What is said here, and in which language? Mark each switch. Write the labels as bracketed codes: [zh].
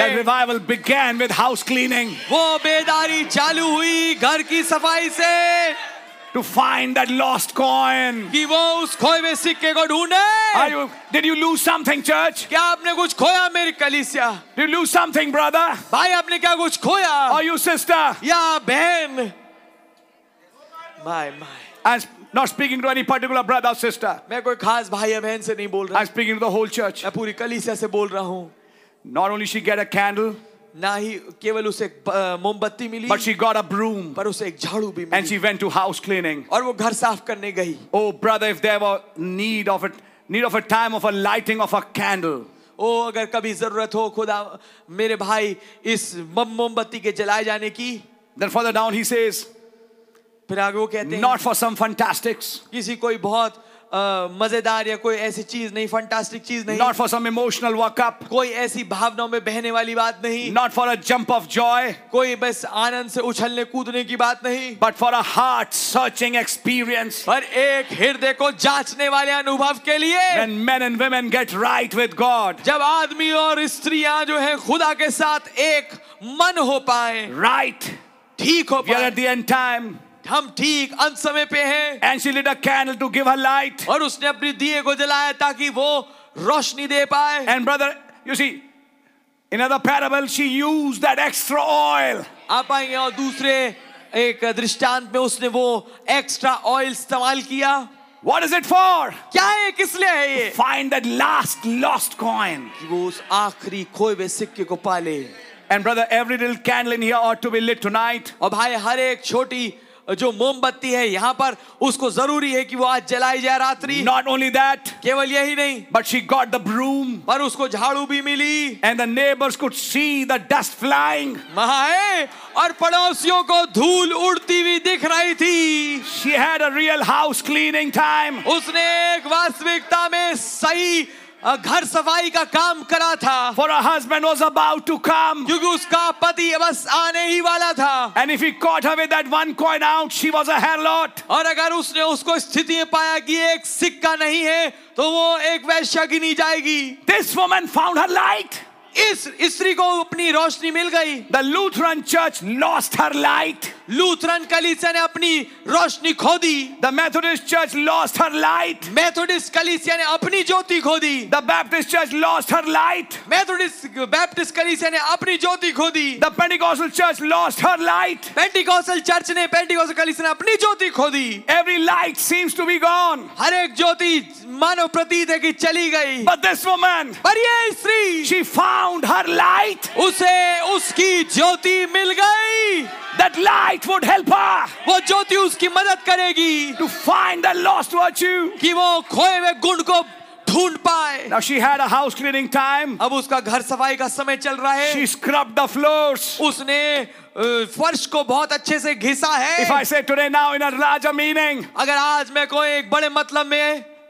[en] That revival began with house cleaning. [hi] वो बेदारी चालू हुई घर की सफाई से. [en] To find that lost coin. [hi] कि वो उस खोए हुए सिक्के को ढूंढे. [en] Did you lose something, church? [hi] क्या आपने कुछ खोया मेरी कलीसिया? [en] Did you lose something, brother? [hi] भाई आपने क्या कुछ खोया? [en] Or you sister? [hi] या बहन? [en] My. I'm not speaking to any particular brother or sister. [hi] मैं कोई खास भाई या बहन से नहीं बोल रहा. [en] I'm speaking to the whole church. [hi] मैं पूरी कलीसिया से बोल रहा हूँ. [en] Not only she get a candle. [hi] ना ही केवल उसे मोमबत्ती मिली. [en] But she got a broom. [hi] पर उसे एक झाड़ू भी मिली. [en] And she went to house cleaning. [hi] और वो घर साफ करने गई. [en] Oh brother, if there were need of a time of a lighting of a candle. [hi] Oh, अगर कभी जरूरत हो खुदा मेरे भाई इस मोमबत्ती के जलाए जाने की. [en] Then further down he says. [hi] फिर आगे वो कहते हैं. [en] Not for some fantastics. [hi] किसी कोई बहुत मजेदार या कोई ऐसी चीज नहीं. फंटास्टिक चीज नहीं. [en] Not for some emotional workup. [hi] कोई ऐसी भावनाओं में बहने वाली बात नहीं. [en] Not for a jump of joy. [hi] कोई बस आनंद से उछलने कूदने की बात नहीं. [en] But for a heart searching experience. [hi] पर एक हृदय को जांचने वाले अनुभव के लिए. [en] When men and women get right with God. [hi] जब आदमी और स्त्रियां जो है खुदा के साथ एक मन हो पाए. [en] right [hi] ठीक हो पाए. [en] The end time. [hi] हम ठीक अंत समय पे हैं. [en] And she lit a candle to give her light. [hi] और उसने अपने दिए को जलाया ताकि वो रोशनी दे पाए. [en] And brother, you see, in another parable, she used that extra oil. [hi] आप आएंगे और दूसरे एक दृष्टांत में उसने वो एक्स्ट्रा ऑयल इस्तेमाल किया. [en] What is it for? [hi] क्या है, किस लिए है ये? [en] Find that last lost coin. [hi] कि वो उस आखरी खोए हुए सिक्के को पाले. [en] And brother, every little candle in here ought to be lit tonight. [hi] और भाई, हर एक छोटी जो मोमबत्ती है यहाँ पर, उसको जरूरी है कि वो आज जलाई जाए रात्रि. [en] Not only that, [hi] केवल यही नहीं, [en] but she got the broom. [hi] पर उसको झाड़ू भी मिली. [en] And the neighbors could see the dust flying. [hi] महाए, और पड़ोसियों को धूल उड़ती हुई दिख रही थी. [en] She had a real house cleaning time. [hi] उसने एक वास्तविकता में सही घर सफाई का काम करा था. [en] For her husband was about to come. [hi] क्योंकि उसका पति बस आने ही वाला था. [en] And if he caught her with that one coin out, she was a harlot. [hi] और अगर उसने उसको स्थिति में पाया कि एक सिक्का नहीं है, तो वो एक वैश्यगिनी जाएगी. [en] This woman found her light. [hi] इस स्त्री को अपनी रोशनी मिल गई. [en] The Lutheran church lost her light. [hi] Lutheran कलीसिया ने अपनी रोशनी खो दी. [en] The Methodist church lost her light. [hi] Methodist कलीसिया ने अपनी ज्योति खो दी. [en] The Baptist church lost her light. [hi] Baptist कलीसिया ने अपनी ज्योति खो दी. [en] The Pentecostal church lost her light. [hi] Pentecostal church ने, Pentecostal कलीसिया ने अपनी ज्योति खो दी. [en] Every light seems to be gone. [hi] हर एक ज्योति मानो प्रतीत है कि चली गई. [en] But this woman, [hi] पर ये स्त्री, [en] she found her light. [hi] उसे उसकी ज्योति मिल गई. [en] That light would help her. [hi] वो ज्योति उसकी मदद करेगी. [en] To find the lost virtue. [hi] कि वो खोए हुए गुण को ढूंढ पाए. [en] Now she had a house cleaning time. [hi] अब उसका घर सफाई का समय चल रहा है. [en] She scrubbed the floors. [hi] उसने फर्श को बहुत अच्छे से घिसा है. [en] If I say today now in a larger meaning. [hi] अगर आज मैं कोई एक बड़े मतलब में,